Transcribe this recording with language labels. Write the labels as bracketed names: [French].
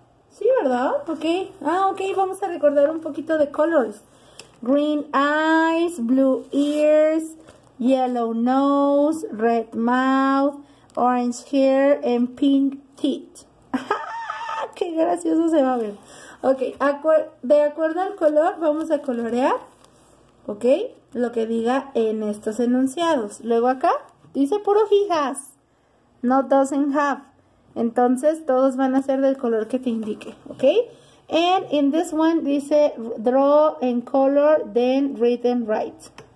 [Spanish] Sí, ¿verdad? Okay. Ah, okay. Vamos a recordar un poquito de colors. [English] Green eyes, blue ears, yellow nose, red mouth, orange hair, and pink teeth. [Spanish] ¡Qué gracioso se va a ver! Ok, de acuerdo al color, vamos a colorear, ¿ok? Lo que diga en estos enunciados. Luego acá, dice puro [English] he has, [Spanish] no [English] doesn't have. [Spanish] Entonces, todos van a ser del color que te indique, ¿ok? [English] And in this one, [Spanish] dice, [English] draw and color, then read and write.